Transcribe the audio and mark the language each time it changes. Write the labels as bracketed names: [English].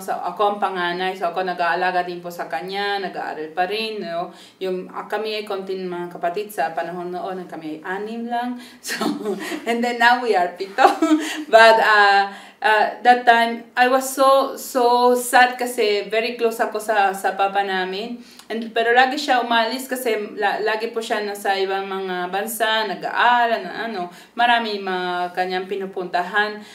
[Filipino] So ako ang panganay, so ako nag-aalaga din po sa kanya, nag-aaral pa rin, no? Kami ay konting mga kapatid sa panahon noon, kami ay 6 lang. [English] So, and then now we are 7. But that time, I was so sad [Filipino] kasi [English] very close [Filipino] ako sa papa namin. Pero lagi siya umalis kasi lagi po siya nasa ibang mga bansa, nag-aaral, marami mga kanyang pinupuntahan.